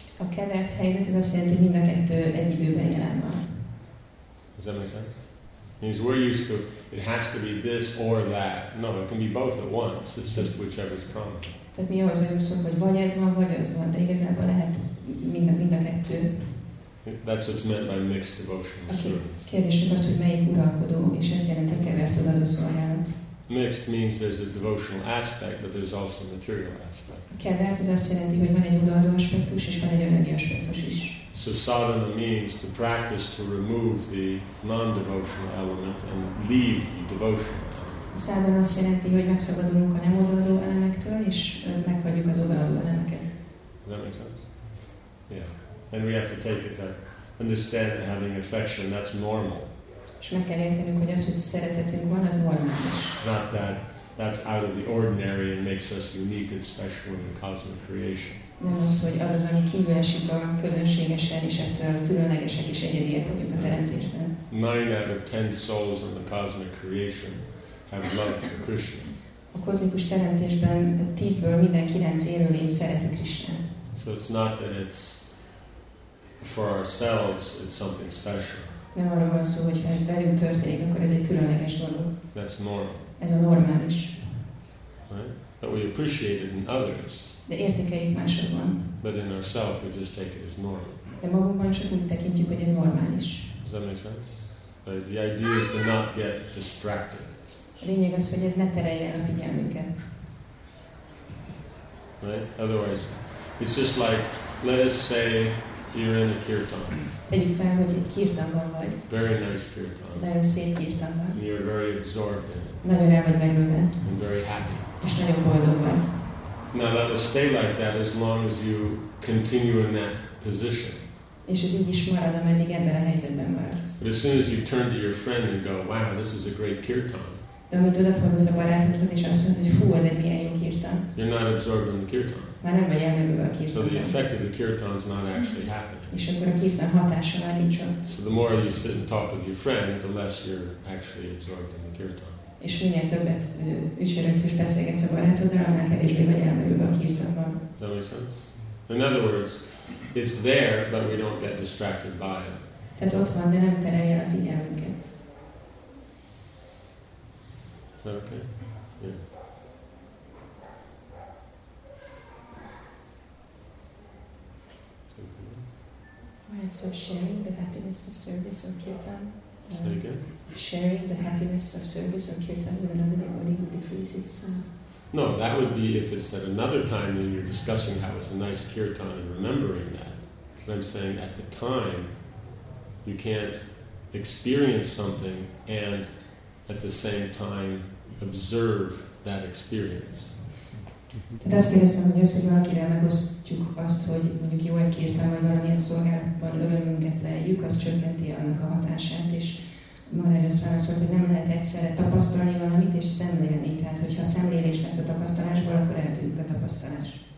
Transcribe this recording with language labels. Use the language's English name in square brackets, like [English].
[Hungarian] A kevert helyzet, ez azt jelenti, hogy mind a kettő egy időben jelen van. [English] Does that make sense? It means we're used to, it has to be this or that. No, it can be both at once. It's just whichever is prominent. [Hungarian] Tehát mi ahhoz vagyunk szokva, hogy vagy ez van, vagy az van, de igazából lehet mind a kettő. [English] That's what's meant by mixed devotional service. [Hungarian] Kérdésük az, hogy melyik uralkodó, és ezt jelent a kevert odaadó szolgálat. [English] Mixed means there's a devotional aspect, but there's also a material aspect. [Hungarian] Kevert az azt jelenti, hogy van egy odaadó aspektus, és van egy anyagi aspektus is. [English] So sadhana means the practice to remove the non-devotional element and leave the devotional. [Hungarian] Szabadon azt jelenti, hogy megszabadulunk a nem odaadó elemektől, és meghagyjuk az odaadó elemeket. [English] Does that make sense? Yeah. And we have to take it that understand having affection, that's normal. [Hungarian] És meg kell értenünk, hogy az, hogy szeretetünk van, az normális. [English] Not that that's out of the ordinary and makes us unique and special in the cosmic creation. [Hungarian] Nem az, hogy az az, ami kívül esik a közönségesen, és ettől különlegesek és egyediek vagyunk a teremtésben. [English] 9 out of 10 souls in the cosmic creation have love for Krishna. [Hungarian] A kozmikus teremtésben 10-ből minden 9 élőlény szereti Krishna. [English] So it's not that it's for ourselves, it's something special. [Hungarian] Nem arról van szó, hogy ha ez velünk történik, akkor ez egy különleges dolog. [English] That's normal. [Hungarian] Ez a normális. [English] Right? But we appreciate it in others. [Hungarian] De értékeljük másokban. [English] But in ourselves, we just take it as normal. [Hungarian] De magunkban csak úgy tekintjük, hogy ez normális. [English] Does that make sense? But the idea is to not get distracted. [Hungarian] A lényeg az, hogy ez ne terelje el a figyelmünket. [English] Right? Otherwise, it's just like, let us say, you're in a kirtan. [Hungarian] Tegyük fel, hogy egy kirtanban vagy. [English] Very nice kirtan. [Hungarian] Nagyon szép kirtanban. [English] And you're very absorbed in it. [Hungarian] Nagyon el vagy merülve. [English] And very happy. [Hungarian] És nagyon boldog vagy. [English] Now that will stay like that as long as you continue in that position. [Hungarian] És ez így is marad, ameddig ebben a helyzetben maradsz. [English] But as soon as you turn to your friend and go, wow, this is a great kirtan. [Hungarian] De amit odafordulsz a barátodhoz, és azt mondod, hogy fú, ez egy milyen jó kirtan. [English] You're not absorbed in the kirtan. [Hungarian] Már nem vagy elmerülve a kirtanban. [English] So the effect of the kirtan is not actually happening. [Hungarian] És akkor a kirtan hatása már nincs ott. [English] So the more you sit and talk with your friend, the less you're actually absorbed in the kirtan. [Hungarian] És minél többet ücsörögsz és beszélgetsz a barátoddal, annál kevésbé vagy elmerülve a kirtanban. [English] Does that make sense? In other words, it's there, but we don't get distracted by it. [Hungarian] Tehát ott van, de nem terelj el a figyelmünket. [English] Is that okay? Yeah. Right, so sharing the happiness of service of kirtan. Say again? Sharing the happiness of service of kirtan with another devotee would decrease its... No, that would be if it's at another time and you're discussing how it's a nice kirtan and remembering that. But I'm saying at the time, you can't experience something and at the same time observe that experience. [Hungarian] Tehát azt kérdeztem, hogy az, hogy valakivel megosztjuk azt, hogy mondjuk jó egy kirtan, vagy valamilyen szolgálatban örömünket lejjük, az csökkenti annak a hatását, és Maharaj azt válaszolt, hogy nem lehet egyszerre tapasztalni valamit, és szemlélni. Tehát, hogyha a szemlélés lesz a tapasztalásból, akkor eltűnik a tapasztalás.